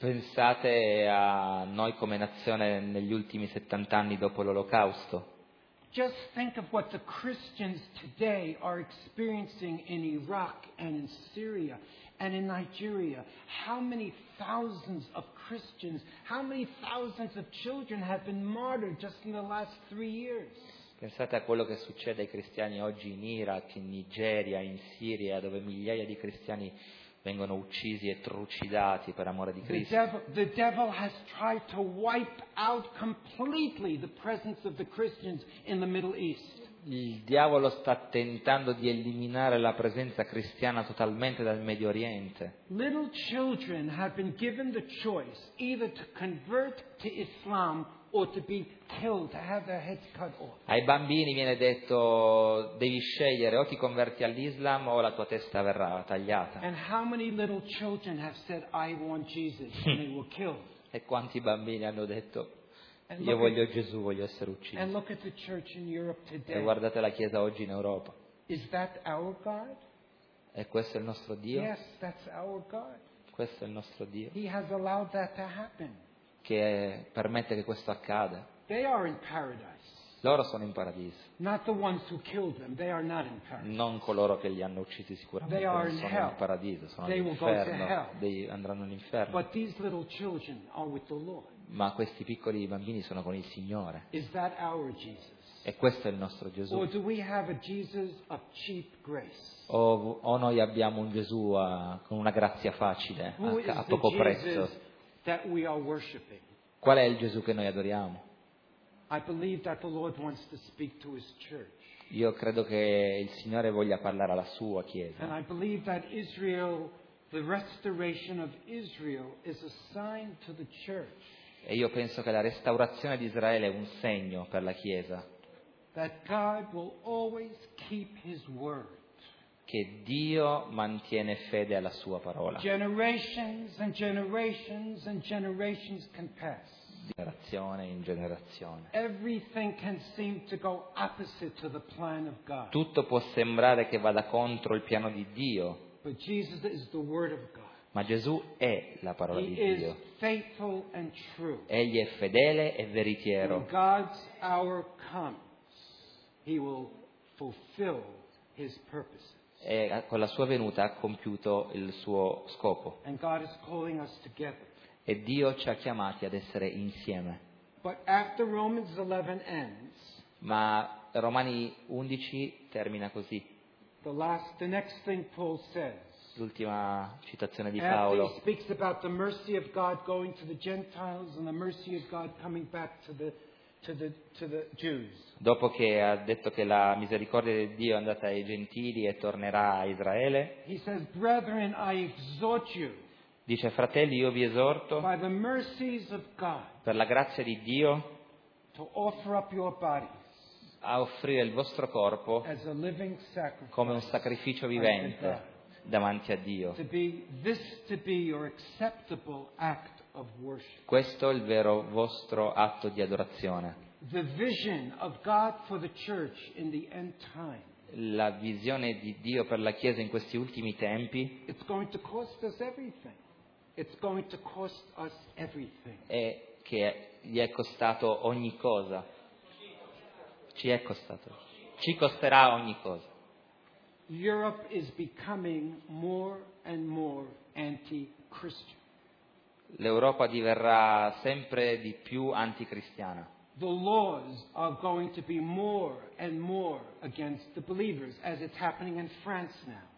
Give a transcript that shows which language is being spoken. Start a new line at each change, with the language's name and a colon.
Italian: Pensate a noi come nazione negli ultimi 70 anni dopo l'Olocausto.
English: Just think of what the Christians today are experiencing in Iraq and in Syria and in Nigeria. How many thousands of Christians, how many thousands of children have been martyred just in the last 3 years?
Italian: Pensate a quello che succede ai cristiani oggi in Iraq, in Nigeria, in Siria, dove migliaia di cristiani vengono uccisi e trucidati per amore di Cristo.
English: The devil has tried to wipe out completely the presence of the Christians in the Middle East.
Italian: Il diavolo sta tentando di eliminare la presenza cristiana totalmente dal Medio Oriente.
English: Little children have been given the choice either to convert to Islam or to be killed, to have their heads cut off.
Italian: Ai bambini viene detto devi scegliere o ti converti all'Islam o la tua testa verrà tagliata.
English: And how many little children have said I want Jesus and they were killed?
Italian: E quanti bambini hanno detto io voglio Gesù, voglio essere ucciso.
English: And look at the church in Europe today.
Italian: E guardate la chiesa oggi in Europa.
English: Is that our God?
Italian: E questo è il nostro Dio?
English: Yes, that's our God.
Italian: Questo è il nostro Dio.
English: He has allowed that to happen.
Italian: Che permette che questo accada.
English: They are in paradise.
Italian: Loro sono in paradiso.
English: Not the ones who killed them. They are not in paradise.
Italian: Non coloro che li hanno uccisi sicuramente.
English: They are in
Italian: sono
English: hell.
Italian: In paradiso, sono
English: they
Italian: all'inferno.
English: Will go to hell. They
Italian: andranno in inferno.
English: But these little children are with the Lord.
Italian: Ma questi piccoli bambini sono con il Signore.
English: Is that our Jesus?
Italian: E questo è il nostro Gesù.
English: Or do we have a Jesus of cheap grace?
Italian: O noi abbiamo un Gesù con una grazia facile a poco prezzo.
English: That we are worshiping.
Italian: Qual è il Gesù che noi adoriamo?
English: I believe that the Lord wants to speak to his church.
Italian: Io credo che il Signore voglia parlare alla sua chiesa.
English: And I believe that Israel, the restoration of Israel is a sign to the church.
Italian: E io penso che la restaurazione di Israele è un segno per la chiesa.
English: That God will always keep his word.
Italian: Che Dio mantiene fede alla sua parola.
English: Generations and generations and generations can pass.
Italian: Generazione in generazione.
English: Everything can seem to go opposite to the plan of God.
Italian: Tutto può sembrare che vada contro il piano di Dio.
English: But Jesus is the word of God.
Italian: Ma Gesù è la parola
English: He
Italian: di Dio.
English: Is faithful and true.
Italian: Egli è fedele e veritiero.
English: When God's hour comes, He will fulfill His purposes.
Italian: E con la sua venuta ha compiuto il suo scopo.
English: And God is calling us together.
Italian: E Dio ci ha chiamati ad essere insieme.
English: But after Romans 11 ends,
Italian: ma Romani 11 termina così.
English: The next thing Paul says,
Italian: l'ultima citazione di Paolo.
English: After he speaks about the mercy of God going to the Gentiles and the mercy of God coming back to the Jews.
Italian: Dopo che ha detto che la misericordia di Dio è andata ai gentili e tornerà a Israele,
English: he says, "Brethren, I exhort you."
Italian: Dice fratelli, io vi esorto.
English: By the mercies of God.
Italian: Per la grazia di Dio.
English: To offer up your bodies.
Italian: A offrire il vostro corpo.
English: As a living sacrifice.
Italian: Come un sacrificio vivente davanti a Dio.
English: To be this to be your acceptable act. Of worship.
Italian: Questo è il vero vostro atto di adorazione.
English: The vision of God for the church in the end time.
Italian: La visione di Dio per la Chiesa in questi ultimi tempi.
English: It's going to cost us everything. It's going to cost us everything.
Italian: È che gli è costato ogni cosa. Ci è costato. Ci costerà ogni cosa.
English: Europe is becoming more and more anti-Christian.
Italian: L'Europa diverrà sempre di più anticristiana.
English: The laws are going to be more and more against the believers, as it's happening in France now.